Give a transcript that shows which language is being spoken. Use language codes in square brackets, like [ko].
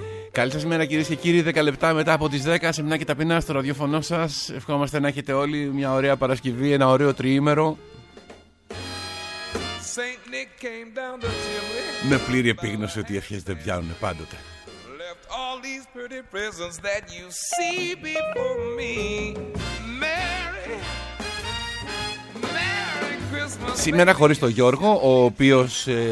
[el] Καλή σας μέρα, κυρίες και κύριοι. 10 λεπτά μετά από τις 10, Σεμνά και ταπεινά στο ραδιόφωνο σας. Ευχόμαστε να έχετε όλοι μια ωραία Παρασκευή, ένα ωραίο τριήμερο. [en] Saint Nick came down the chimney. [el] Με πλήρη επίγνωση ότι οι ευχές δεν πιάνουν πάντοτε. [en] Left all these pretty presents that you see before me. Merry, Merry Christmas. [el] Σήμερα χωρίς τον Γιώργο, ο οποίος...